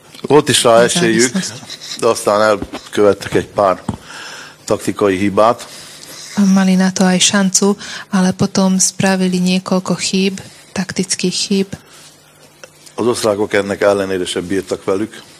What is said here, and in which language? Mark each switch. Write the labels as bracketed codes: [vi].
[hu] Volt is rá esélyük, de aztán elkövettek egy pár taktikai hibát. [sk] Mali na to aj šancu, ale potom spravili niekoľko chýb, taktických chýb. [hu] Az osztrákok ennek ellenére se bírtak velük.